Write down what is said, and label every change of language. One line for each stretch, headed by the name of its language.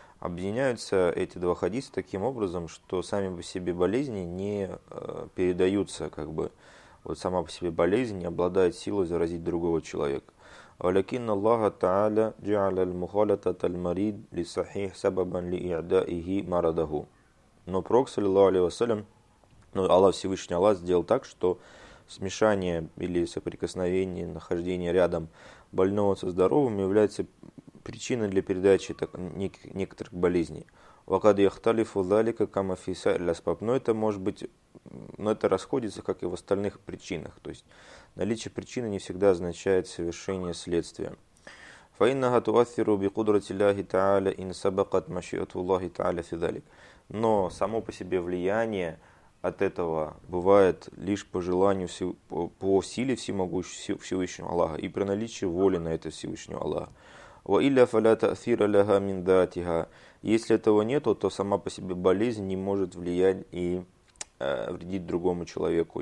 Russian: Объединяются эти два хадиса таким образом, что сами по себе болезни не передаются, как бы. Вот сама по себе болезнь не обладает силой заразить другого человека.
Arabic: ولكن الله تعالى جعل المخالطة المريض للصحيح سببا لإعدائه مرضه.
Russian: Но пророк саллаллаху алейхи вассалям, ну, Аллах Всевышний Аллах сделал так, что смешание или соприкосновение, нахождение рядом больного со здоровым является причиной для передачи некоторых болезней.
Arabic: وقد يختلف ذلك كما في سائر الأسباب.
Russian: Но это может быть, но это расходится, как и в остальных причинах. То есть наличие причины не всегда означает совершение следствия.
Arabic: فإنها تؤثر بقدرة الله تعالى إن سبقت مشيئة الله تعالى في ذلك.
Russian: Но само по себе влияние от этого бывает лишь по желанию, по силе Всемогущего Всевышнего Аллаха и при наличии воли на это Всевышнего Аллаха.
Arabic: وَإِلَّا فَلَا تَأْثِيرَ لَهَا مِنْ ذَاتِهَا.
Russian: Если этого нет, то сама по себе болезнь не может влиять и вредить другому человеку.